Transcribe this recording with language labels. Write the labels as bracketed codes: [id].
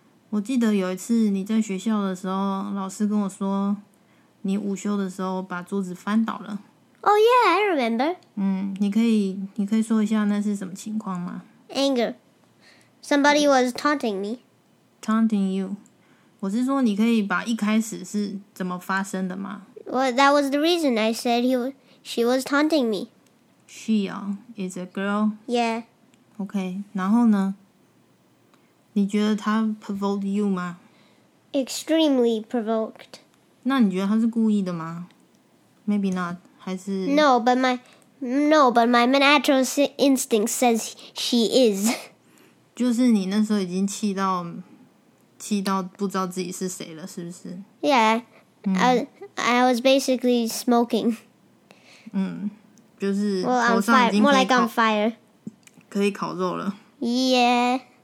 [zh] 我记得有一次你在学校的时候，老师跟我说，你午休的时候把桌子翻倒了。 [en] Oh yeah, I remember. [zh] 你可以说一下那是什么情况吗？ [en] Anger. Somebody was taunting me. Taunting you. [zh] 我是说你可以把一开始是怎么发生的吗？ [en] Well, that was the reason I said she was taunting me. She, is a girl? Yeah. [zh] Okay, 然后呢？你觉得她 [en] provoked you [zh] 吗？ [en] Extremely provoked. [zh] 那你觉得她是故意的吗？ [en] Maybe not, 还是 No, but my natural instinct says she is. [zh] 就是你那时候已经气到不知道自己是谁了，是不是？ [en] Yeah. I was basically smoking. [zh] 就是 [en] well, on fire, more like on fire. [zh] 可以烤肉了。 [en] Yeah.